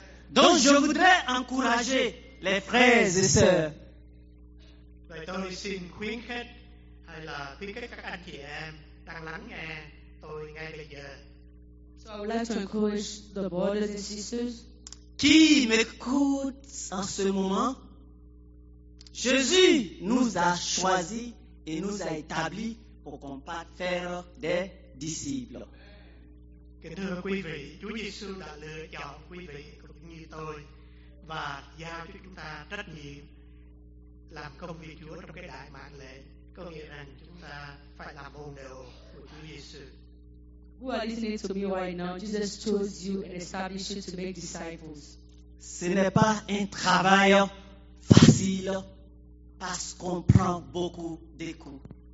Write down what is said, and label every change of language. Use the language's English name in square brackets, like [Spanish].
[French] Donc je voudrais encourager les frères et sœurs. [Vietnamese] Vậy tôi xin khuyến khích hay là khuyến khích các anh chị em đang lắng nghe tôi ngay bây giờ. [English] So I would like to encourage the brothers and sisters. [French] Qui m'écoute en ce moment? Jésus nous a choisis et nous a établis pour qu'on puisse faire des disciples. [Vietnamese] Kính thưa quý vị, Chúa Giêsu đã lựa chọn quý vị cũng như tôi và giao cho chúng ta trách nhiệm làm công việc Chúa trong cái đại mạng lệnh, có nghĩa rằng chúng ta phải làm môn đồ của Chúa Giêsu. [English] Who are listening to me right now? Jesus chose you and established you to make disciples. [French] Ce n'est pas un travail facile parce qu'on prend beaucoup de coups.